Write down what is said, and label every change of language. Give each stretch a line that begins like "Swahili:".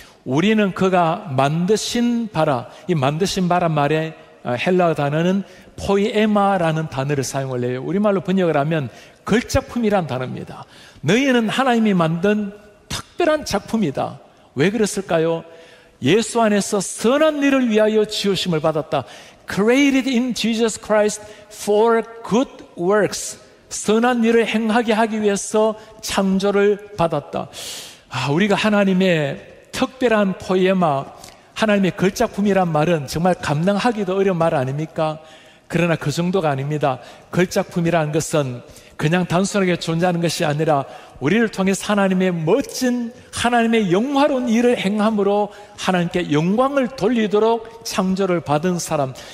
Korean: 우리는 그가 만드신 바라, 이 만드신 바란 말에 헬라어 단어는 포이에마라는 단어를 사용을 해요. 우리말로 번역을 하면 걸작품이란 단어입니다. 너희는 하나님이 만든 특별한 작품이다. 왜 그랬을까요? 예수 안에서 선한 일을 위하여 지으심을 받았다.
English: Created in Jesus Christ for good works.
Korean: 선한 일을 행하게 하기 위해서 창조를 받았다. 아, 우리가 하나님의 특별한 포에마, 하나님의 걸작품이란 말은 정말 감당하기도 어려운 말 아닙니까? 그러나 그 정도가 아닙니다. 걸작품이란 것은 그냥 단순하게 존재하는 것이 아니라 우리를 통해서 하나님의 멋진 하나님의 영화로운 일을 행함으로 하나님께 영광을 돌리도록 창조를 받은 사람.